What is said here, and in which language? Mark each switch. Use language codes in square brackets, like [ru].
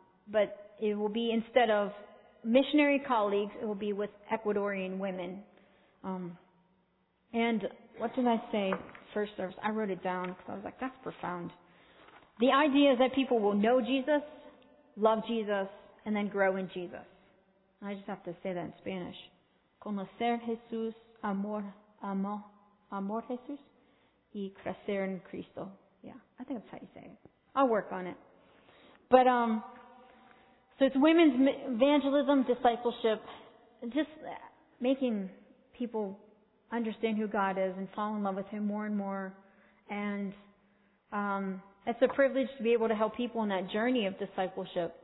[en] But it will be, instead of missionary colleagues, it will be with Ecuadorian women. And what did I say first service? I wrote it down because I was like, that's profound. The idea is that people will know Jesus, love Jesus, and then grow in Jesus. I just have to say that in Spanish. [es] Conocer Jesús, amor Jesús, y crecer en Cristo. [en] Yeah, I think that's how you say it. I'll work on it. But so it's women's evangelism, discipleship, just making people understand who God is and fall in love with Him more and more. And it's a privilege to be able to help people in that journey of discipleship.